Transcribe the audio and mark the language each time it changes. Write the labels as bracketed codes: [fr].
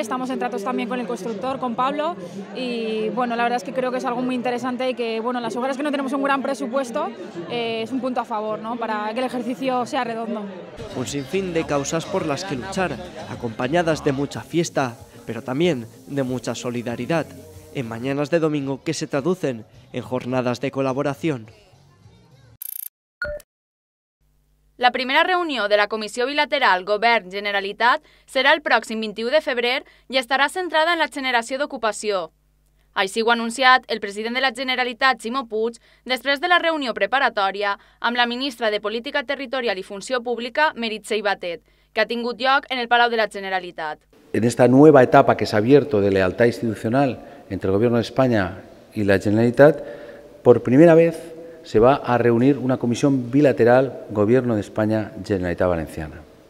[es] Estamos en tratos también con el constructor, con Pablo, y bueno, la verdad es que creo que es algo muy interesante y que bueno, las hogueras que no tenemos un gran presupuesto, es un punto a favor, ¿no?, para que el ejercicio sea redondo. Un sinfín de causas por las que luchar, acompañadas de mucha fiesta, pero también de mucha solidaridad, en mañanas de domingo que se traducen en jornadas de colaboración. [ca] La primera reunió de la Comissió Bilateral Govern-Generalitat serà el pròxim 21 de febrer i estarà centrada en la generació d'ocupació. Així ho ha anunciat el president de la Generalitat, Ximo Puig, després de la reunió preparatòria amb la ministra de Política Territorial i Funció Pública, Meritxell Batet, que ha tingut lloc en el Palau de la Generalitat. [es] En esta nueva etapa que se ha abierto de lealtad institucional entre el Gobierno de España y la Generalitat, por primera vez se va a reunir una comisión bilateral Gobierno de España Generalitat Valenciana.